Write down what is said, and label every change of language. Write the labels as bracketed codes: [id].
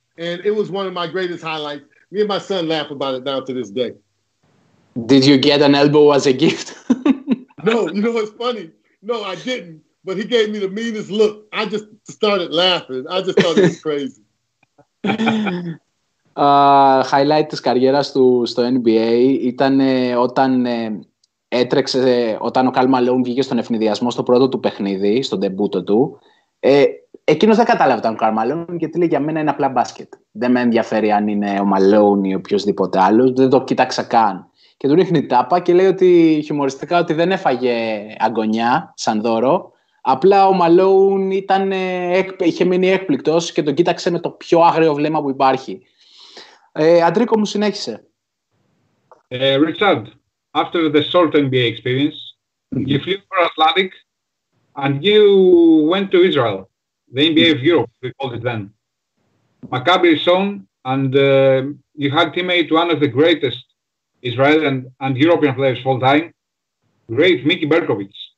[en] And it was one of my greatest highlights. Me and my son laugh about it now to this day. Did you get an elbow as a gift? No, you know what's funny? No, I didn't. But he gave me the meanest look. I just started laughing. I just thought it was crazy. [el] Highlight της καριέρας του στο NBA ήταν όταν έτρεξε, όταν ο Karl Malone βγήκε στον ευνηδιασμό στο πρώτο του παιχνίδι, στον ντεμπούτο του. Εκείνος δεν κατάλαβε τον Karl Malone, γιατί λέει, για μένα είναι απλά μπάσκετ. Δεν με ενδιαφέρει αν είναι ο Malone ή οποιοδήποτε άλλος, δεν το κοίταξα καν. Και του ρίχνει τάπα και λέει ότι χιουμοριστικά ότι δεν έφαγε αγωνιά σαν δώρο. Απλά ο Malone ήταν, είχε μείνει έκπληκτος και τον κοίταξε με το πιο άγριο βλέμμα που υπάρχει. Αντρίκο μου, συνέχισε. [en] Richard, after the short NBA experience, you flew for Atlantic and you went to Israel, the NBA of Europe, we called it then. Maccabi Rishon, and you had teammate one of the greatest Israeli and European players of all time, great Mickey Berkovic.